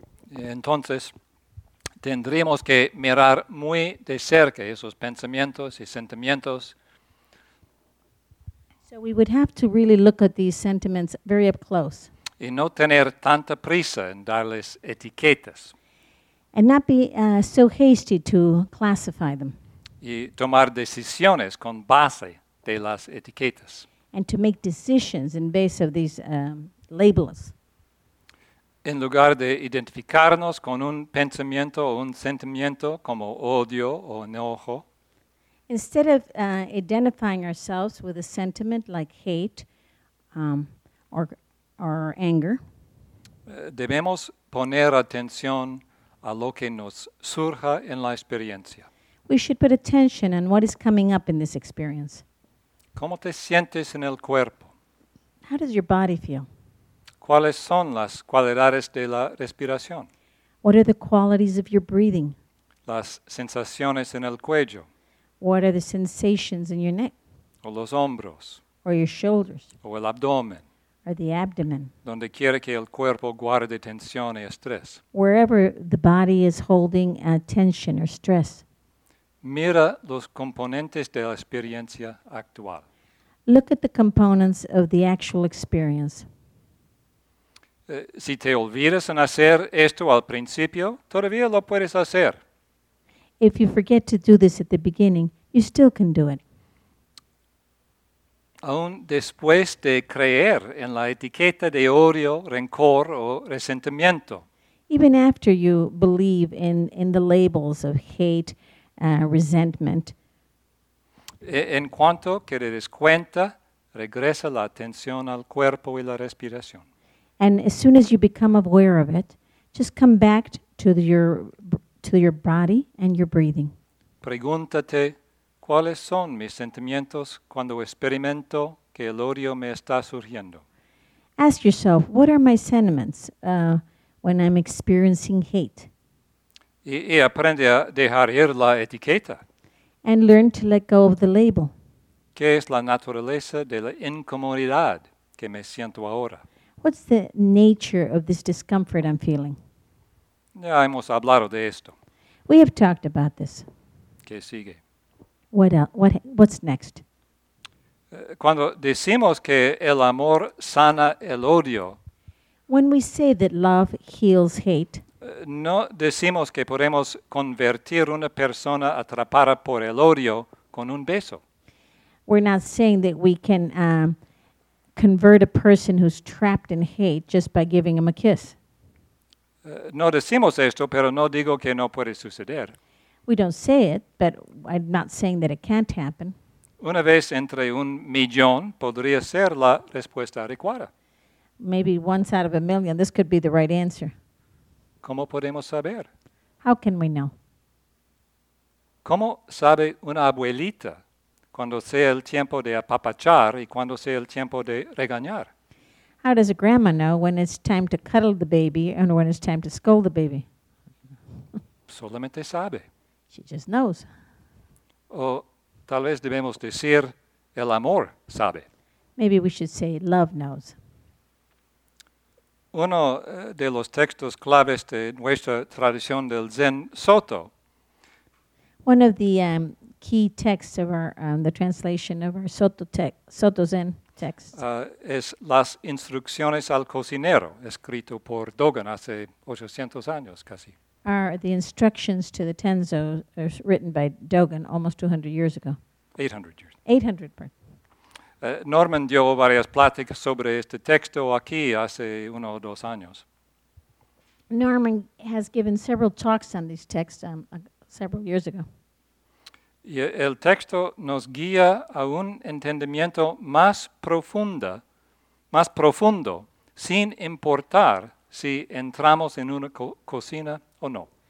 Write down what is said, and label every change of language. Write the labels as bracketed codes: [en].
[es] Entonces, tendríamos que mirar muy de cerca esos pensamientos y sentimientos. [en] So we would have to really look at these sentiments very up close. [es] Y no tener tanta prisa en darles etiquetas. [en] And not be so hasty to classify them. [es] Y tomar decisiones con base de las etiquetas. [en] And to make decisions in base of these labels. [es] en lugar de identificarnos con un pensamiento o un sentimiento como odio o enojo, [en] instead of identifying ourselves with a sentiment like hate or anger, [es] debemos poner atención a lo que nos surja en la experiencia. [en] We should put attention on what is coming up in this experience. [es] ¿Cómo te sientes en el cuerpo? [en] How does your body feel? [es] ¿Cuáles son las cualidades de la respiración? [en] What are the qualities of your breathing? [es] Las sensaciones en el cuello. [en] What are the sensations in your neck? [es] O los hombros. [en] Or your shoulders. [es] O el abdomen. [en] Or the abdomen. [es] Donde quiera que el cuerpo guarde tensión y estrés. [en] Wherever the body is holding tension or stress. [es] Mira los componentes de la experiencia actual. [en] Look at the components of the actual experience. [es] Si te olvidas en hacer esto al principio, todavía lo puedes hacer. [en] If you forget to do this at the beginning, you still can do it. [es] Aún después de creer en la etiqueta de odio, rencor o resentimiento. [en] Even after you believe in the labels of hate, resentment. [es] En cuanto que te des cuenta, regresa la atención al cuerpo y la respiración. [en] And as soon as you become aware of it, just come back to your body and your breathing. [es] Pregúntate, ¿cuáles son mis sentimientos cuando experimento que el odio me está surgiendo? [en] Ask yourself, what are my sentiments when I'm experiencing hate? [es] Y aprende a dejar ir la etiqueta. [en] And learn to let go of the label. [es] ¿Qué es la naturaleza de la incomodidad que me siento ahora? [en] What's the nature of this discomfort I'm feeling? [es] Ya hemos hablado de esto. [en] We have talked about this. [es] ¿Qué sigue? [en] What's next? [es] Cuando decimos que el amor sana el odio. [en] When we say that love heals hate. [es] No decimos que podemos convertir una persona atrapada por el odio con un beso. [en] We're not saying that we can convert a person who's trapped in hate just by giving him a kiss. [es] No decimos esto, pero no digo que no puede suceder. [en] We don't say it, but I'm not saying that it can't happen. [es] Una vez entre un millón podría ser la respuesta adecuada. [en] Maybe once out of a million, this could be the right answer. [es] ¿Cómo podemos saber? [en] How can we know? [es] ¿Cómo sabe una abuelita cuando sea el tiempo de apapachar y cuando sea el tiempo de regañar? [en] How does a grandma know when it's time to cuddle the baby and when it's time to scold the baby? [es] Solamente sabe. [en] She just knows. [es] O tal vez debemos decir, el amor sabe. [en] Maybe we should say, love knows. [es] Uno de los textos claves de nuestra tradición del Zen Soto. [en] One of the key texts of our, the translation of our Soto Zen text. [es] Es Las Instrucciones al Cocinero, escrito por Dogen hace 800 años casi. [en] Are the instructions to the Tenzo written by Dogen almost 200 years ago. 800 years. 800, pardon. [es] Norman dio varias pláticas sobre este texto aquí hace uno o dos años. [en] Norman has given several talks on these texts several years ago. [es] Y el texto nos guía a un entendimiento más profundo, sin importar si entramos en una cocina o no.